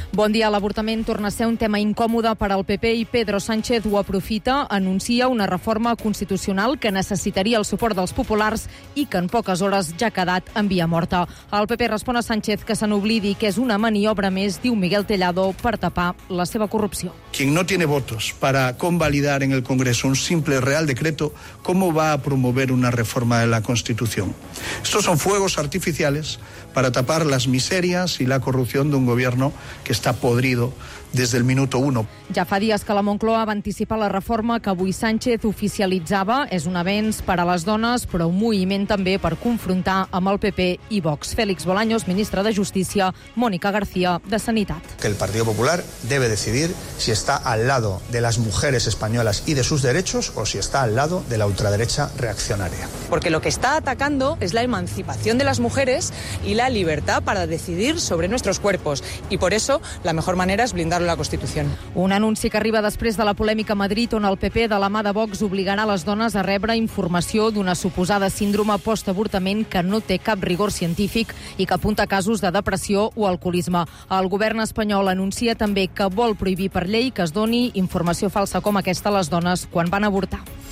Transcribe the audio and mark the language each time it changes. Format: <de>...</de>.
<ca>Bon dia. L'avortament torna a ser un tema incòmode per al PP i Pedro Sánchez ho aprofita, anuncia una reforma constitucional que necessitaria el suport dels populars i que en poques hores ja ha quedat en via morta. El PP respon a Sánchez que se n'oblidi, que és una maniobra més, diu Miguel Tellado, per tapar la seva corrupció.</ca> <es>Quien no tiene votos para convalidar en el Congreso un simple real decreto, ¿cómo va a promover una reforma de la Constitución? Estos son fuegos artificiales para tapar las miserias y la corrupción de un gobierno que está podrido desde el minuto uno.</es> <ca>Ja fa dies que la Moncloa va anticipar la reforma que avui Sánchez oficialitzava. És un avenç per a les dones, però un moviment també per confrontar amb el PP i Vox. Félix Bolaños, ministre de Justícia, Mònica García, de Sanitat.</ca> <es>Que el Partido Popular debe decidir si está al lado de las mujeres españolas y de sus derechos o si está al lado de la ultraderecha reaccionaria. Porque lo que está atacando es la emancipación de las mujeres y la libertad para decidir sobre nuestros cuerpos. Y por eso la mejor manera es blindar la Constitución.</es> <ca>Un anunci que arriba després de la polèmica a Madrid on el PP de la mà de Vox obligarà les dones a rebre informació d'una suposada síndrome postavortament que no té cap rigor científic i que apunta casos de depressió o alcoholisme. El govern espanyol anuncia també que vol prohibir per llei que es doni informació falsa com aquesta a les dones quan van avortar.</ca>